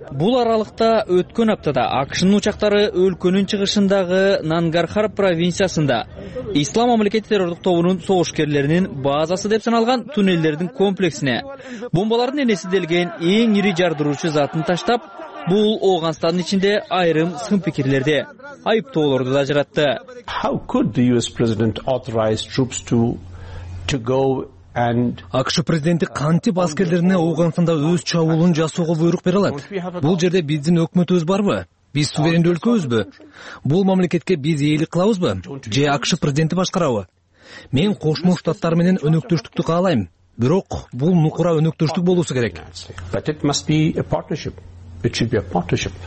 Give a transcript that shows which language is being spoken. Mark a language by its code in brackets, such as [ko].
[ky] Бул аралыкта өткөн аптада АКШнын учактары өлкөнүн чыгышындагы Нангархар провинциясында Ислам мамлекети террордук тобунун согушкерлеринин базасы деп саналган туннелдердин комплексине бомбалардын энеселелген эң ири жардыруучу затын таштап, бул Ооганстандын ичинде айрым сын пикирлерди, айыптоолорду да жаратты. [en] How could the US president authorize troops to go? [ky] АКШ президенти кантип аскерлерине Ооганстанда өз чабуулун жасоого буйрук бере алат? Бул жерде биздин өкмөтүбүз барбы? Биз суверендүү өлкөбүзбү? Бул мамлекетке биз ээлик кылабызбы же АКШ президенти башкарабы? Мен Кошмо Штаттар менен өнөктөштүктү каалайм, бирок бул нукура өнөктөштүк болуусу керек.